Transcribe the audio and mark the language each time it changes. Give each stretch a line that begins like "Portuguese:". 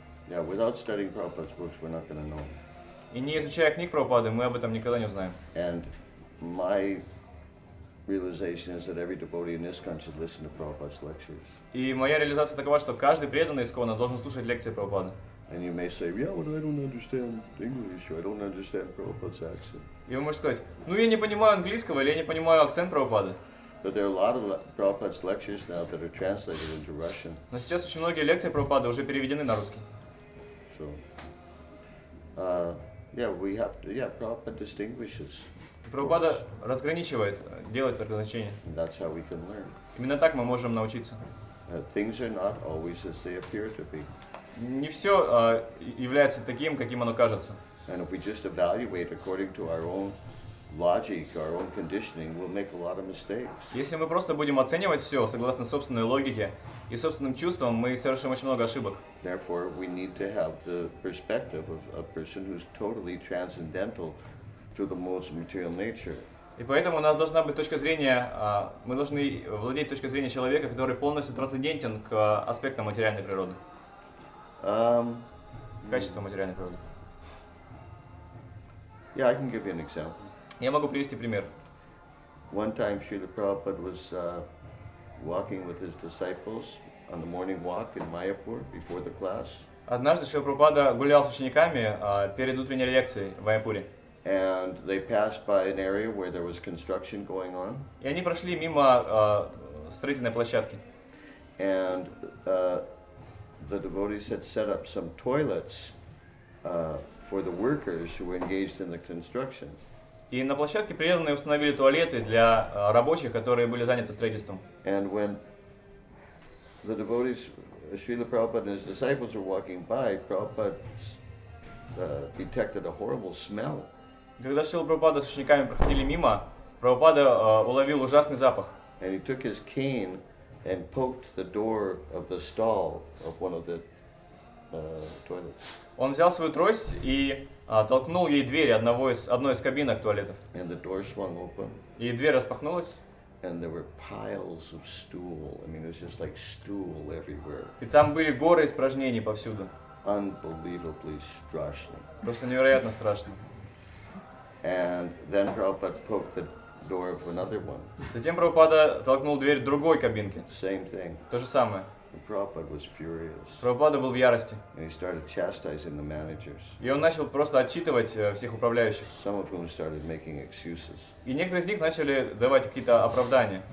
English: Yeah, without studying Prabhupada's books, we're not going to know.
Russian: И не изучая книг Прабхупады, мы об этом никогда не узнаем.
English: And my realization is that every devotee in this country should listen to Prabhupada's lectures.
Russian: И моя реализация такова, что каждый преданный ИСККОНа должен слушать лекции Прабхупады.
English: And you may say, yeah, but I don't understand English, or I don't understand Prabhupada's accent.
Russian: И вы можете сказать, ну я не понимаю английского, или я не понимаю акцент Прабхупады.
English: But there are a lot of Prabhupada's lectures now that are translated into Russian.
Russian: Но сейчас очень многие лекции Прабхупады уже переведены на русский.
English: So, yeah, we have to, yeah, Prabhupada distinguishes.
Russian: Прабхупада разграничивает, делает разграничение.
English: That's how we can learn.
Russian: Именно так мы можем научиться.
English: Things are not always as they appear to be.
Russian: Не все является таким, каким оно кажется.
English: And if we just evaluate according to our own logic, our own conditioning, we'll make a lot of mistakes.
Russian: Если мы просто будем оценивать все согласно собственной логике и собственным чувствам, мы совершим очень много ошибок.
English: Therefore, we need to have the perspective of a person who's totally transcendental to the most material nature.
Russian: И поэтому у нас должна быть точка зрения, мы должны владеть точкой зрения человека, который полностью трансцендентен к аспектам материальной природы. Качество материальной природы.
English: Yeah, I can give you an example.
Russian: Я могу привести пример.
English: One time Srila Prabhupada was walking with his disciples on the morning walk in Mayapur before the class.
Russian: Однажды Шрила Прабхупада гулял с учениками перед утренней лекцией в Майяпуре.
English: And they passed by an area where there was construction going on.
Russian: И они прошли мимо строительной площадки.
English: And the devotees had set up some toilets for the workers who were engaged in the construction.
Russian: И на площадке преданные установили туалеты для рабочих, которые были заняты строительством.
English: And when the devotees, Srila Prabhupada and his disciples were walking by, Prabhupada detected a horrible smell.
Russian: Когда Шрила Прабхупада с учениками проходили мимо, Прабхупада уловил ужасный запах.
English: And he took his cane and poked the door of the stall of one of the toilets.
Russian: Он взял свою трость и толкнул ей дверь одной из кабинок туалетов.
English: And the door swung open.
Russian: И дверь распахнулась.
English: And there were piles of stool. I mean, it was just like stool everywhere.
Russian: И там были горы испражнений повсюду.
English: Unbelievably strashning.
Russian: Просто невероятно страшно.
English: And then Prabhupada poked the door of another one.
Russian: Затем Прабхупада толкнул дверь другой кабинки.
English: Same thing.
Russian: То же самое.
English: And Prabhupada was furious.
Russian: Прабхупада был в ярости.
English: And he started chastising the managers.
Russian: И он начал просто отчитывать всех управляющих.
English: Some of whom started making excuses.
Russian: И некоторые из них начали давать какие-то оправдания.